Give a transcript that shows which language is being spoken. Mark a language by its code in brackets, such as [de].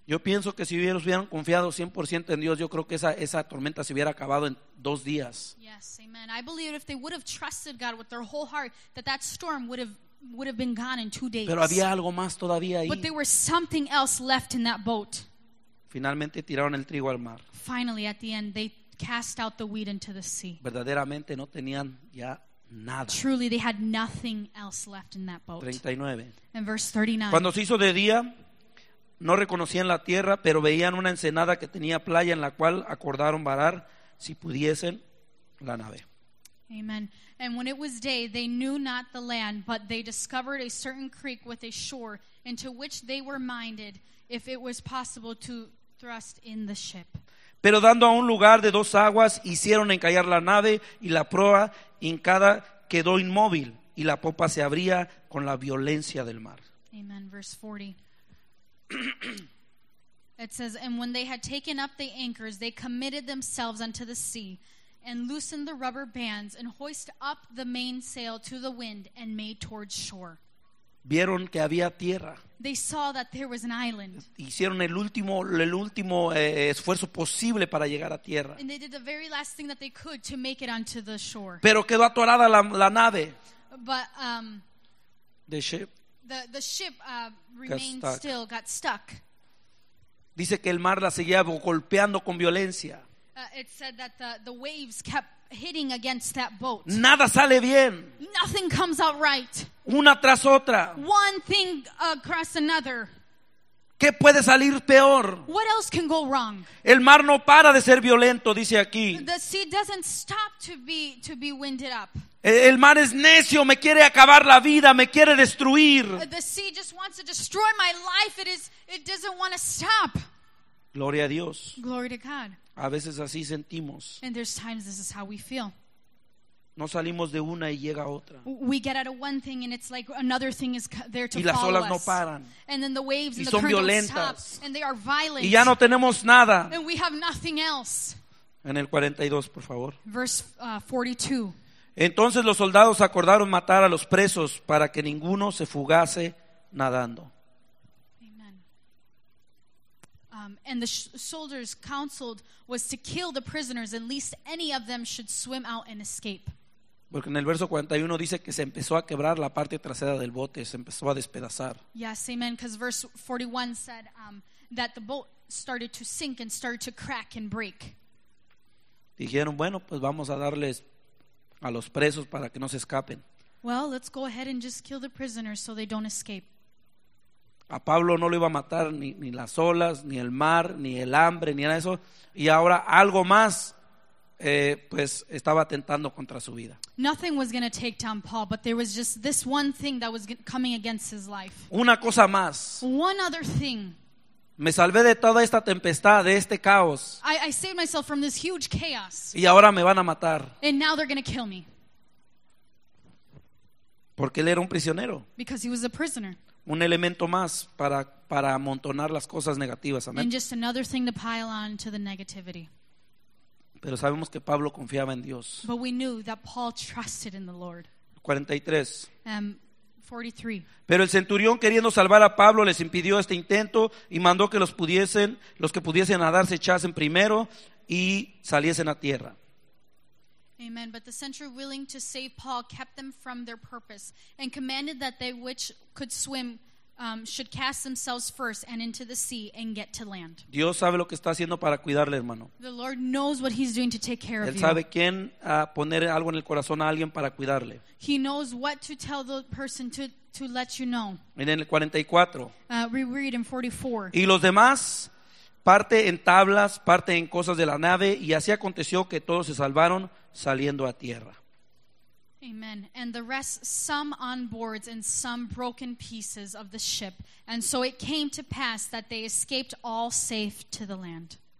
[es] Yo pienso que si hubieran confiado 100% en Dios, yo creo que esa tormenta se hubiera acabado en 2 días. [en] Yes, amen. I believe if they would have trusted God with their whole heart, that storm would have been gone in 2 days. [es] Pero había algo más todavía ahí. [en] But there was something else left in that boat. [es] Finalmente tiraron el trigo al mar. [en] Finally, at the end, they cast out the wheat into the sea. [es] Verdaderamente no tenían ya nada. [en] Truly, they had nothing else left in that boat. [es] 39. [en] And verse 39. [es] Cuando se hizo de día, no reconocían la tierra, pero veían una ensenada que tenía playa en la cual acordaron varar si pudiesen la nave. [en] Amen. And when it was day, they knew not the land, but they discovered a certain creek with a shore into which they were minded if it was possible to thrust in the ship. [es] Pero dando a un lugar de dos aguas, hicieron encallar la nave y la proa hincada quedó inmóvil y la popa se abría con la violencia del mar. [en] Amen. Verse 40. It says, and when they had taken up the anchors, they committed themselves unto the sea and loosened the rubber bands and hoist up the mainsail to the wind and made towards shore. [es] Vieron que había tierra. [en] They saw that there was an island. [es] Hicieron el último esfuerzo posible para llegar a tierra. [en] And they did the very last thing that they could to make it onto the shore. [es] Pero quedó atorada la nave. [en] But the ship. The ship remained still, got stuck. [es] Dice que el mar la seguía golpeando con violencia. [en] It said that the waves kept hitting against that boat. [es] Nada sale bien. [en] Nothing comes out right. [es] Una tras otra. [en] One thing across another. [es] ¿Qué puede salir peor? [en] What else can go wrong? [es] El mar no para de ser violento, dice aquí. [en] The sea doesn't stop to be winded up. [es] El mar es necio, me quiere acabar la vida, me quiere destruir. [en] The sea just wants to destroy my life. It doesn't want to stop. [es] Gloria a Dios. [en] Glory to God. [es] A veces así sentimos. [en] And there's times this is how we feel. [es] No salimos de una y llega otra. [en] We get out of one thing and it's like another thing is there to follow us. [es] Y las olas no paran. [en] And then the waves [es] y [en] and the [es] son [en] current [es] violentas. [en] Don't stop. And they are violent. [es] Y ya no tenemos nada. [en] And we have nothing else. [es] En el 42, por favor. [en] Verse 42. [es] Entonces los soldados acordaron matar a los presos para que ninguno se fugase nadando. [en] And the soldiers counseled was to kill the prisoners and lest any of them should swim out and escape. [es] Porque en el verso 41 dice que se empezó a quebrar la parte trasera del bote, se empezó a despedazar. [en] Yes, amen, because verse 41 said that the boat started to sink and started to crack and break. [es] Dijeron, bueno, pues vamos a darles a los presos para que no se escapen. [en] Well, let's go ahead and just kill the prisoners so they don't escape. [es] A Pablo no lo iba a matar ni las olas, ni el mar, ni el hambre, ni nada de eso. Y ahora algo más, pues estaba atentando contra su vida. [en] Nothing was going to take down Paul, but there was just this one thing that was coming against his life. [es] Una cosa más. [en] One other thing. [es] Me salvé de toda esta tempestad, de este caos. [en] I saved myself from this huge chaos. [es] Y ahora me van a matar. [en] And now they're going to kill me. [es] Porque él era un prisionero. [en] Because he was a prisoner. [es] Un elemento más para amontonar las cosas negativas. [en] Amen. And just another thing to pile on to the negativity. [es] Pero sabemos que Pablo confiaba en Dios. [en] But we knew that Paul trusted in the Lord. [es] 43. [en] 43. [es] Pero el centurión, queriendo salvar a Pablo, les impidió este intento y mandó que los que pudiesen nadar se echasen primero y saliesen a tierra. [en] Amen. But the centurion, willing to save Paul, kept them from their purpose and commanded that they which could swim should cast themselves first and into the sea and get to land. [es] Dios sabe lo que está haciendo para cuidarle, hermano. [en] The Lord knows what he's doing to take care of you. [es] Él sabe quién poner algo en el corazón a alguien para cuidarle. [en] He knows what to tell the person to let you know. [es] En el 44. [en] We read in 44. [es] Y los demás, parte en tablas, parte en cosas de la nave, y así aconteció que todos se salvaron saliendo a tierra. [en] Amen. And the rest, some on boards and some broken pieces of the ship. And so it came to pass that they escaped all safe to the land.